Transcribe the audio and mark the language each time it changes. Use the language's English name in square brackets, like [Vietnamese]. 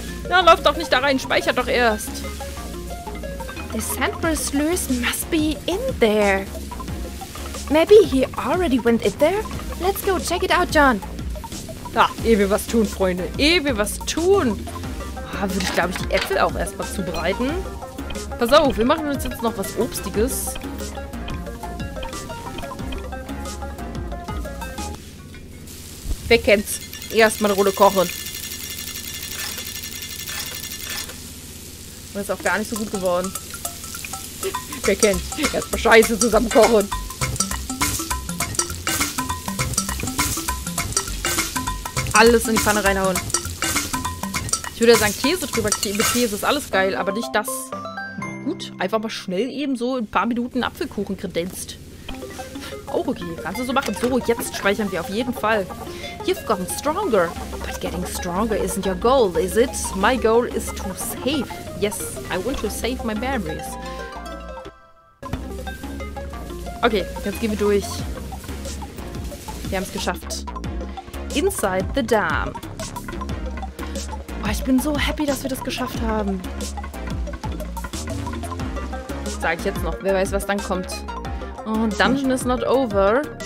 [German] Na, lauf doch nicht da rein, speichert doch erst. [English] The central sluice must be in there. Maybe he already went in there? Let's go check it out, John. [German] Da, ehe wir was tun, Freunde. Ehe wir was tun. Würde ich, glaube ich, die Äpfel auch erstmal zubereiten. Pass auf, wir machen uns jetzt noch was Obstiges. Wer kennt's? Erstmal eine Runde kochen. Und ist auch gar nicht so gut geworden. Wer kennt? Erstmal Scheiße zusammen kochen. Alles in die Pfanne reinhauen. Ich würde ja sagen, Käse drüber. Mit Käse ist alles geil, aber nicht das. Gut, einfach mal schnell eben so ein paar Minuten Apfelkuchen kredenzt. Auch okay, kannst du so machen. So, jetzt speichern wir auf jeden Fall. [English] You've gotten stronger. But getting stronger isn't your goal, is it? My goal is to save. Yes, I want to save my memories. [German] Okay, jetzt gehen wir durch. Wir haben es geschafft. [English] Inside the dam. [German] Oh, ich bin so happy, dass wir das geschafft haben. Das sage ich jetzt noch. Wer weiß, was dann kommt. Oh, [English] Dungeon is not over.